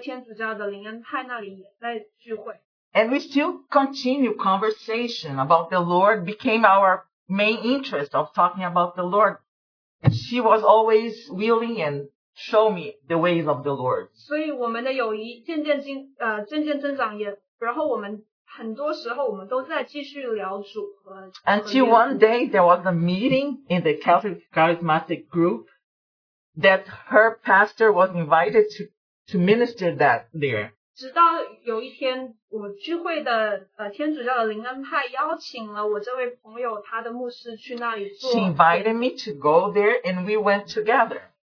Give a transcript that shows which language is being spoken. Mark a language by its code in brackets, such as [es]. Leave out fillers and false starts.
[zh] 所以我这个朋友他平常聚会的地方，有一些弟兄姐妹也在这个天主教的灵恩派那里也在聚会。And [en] we still continue conversation about the Lord became our main interest of talking about the Lord. And she was always willing and show me the ways of the Lord. [zh] 所以我们的友谊渐渐增长，然后我们。 [en] Until one day, there was a meeting in the Catholic Charismatic group that her pastor was invited to minister that there. [zh] 直到有一天，我聚会的天主教的灵恩派邀请了我这位朋友，他的牧师去那里做。She [en] invited me to go there, and we went together.